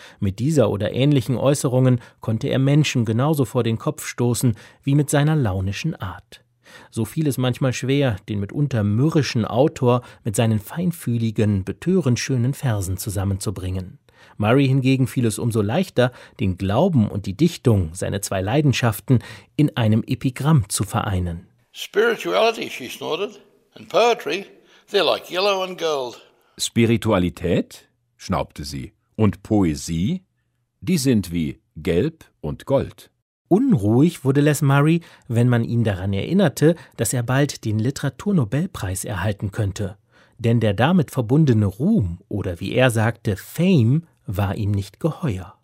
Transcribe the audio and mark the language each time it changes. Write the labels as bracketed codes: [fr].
[de] Mit dieser oder ähnlichen Äußerungen konnte er Menschen genauso vor den Kopf stoßen wie mit seiner launischen Art. So fiel es manchmal schwer, den mitunter mürrischen Autor mit seinen feinfühligen, betörend schönen Versen zusammenzubringen. Murray hingegen fiel es umso leichter, den Glauben und die Dichtung, seine zwei Leidenschaften, in einem Epigramm zu vereinen. [en] Spirituality, she snorted, and poetry, they're like yellow and gold. [de] Spiritualität, schnaubte sie, und Poesie, die sind wie gelb und gold. Unruhig wurde Les Murray, wenn man ihn daran erinnerte, dass er bald den Literaturnobelpreis erhalten könnte. Denn der damit verbundene Ruhm, oder wie er sagte, Fame, war ihm nicht geheuer.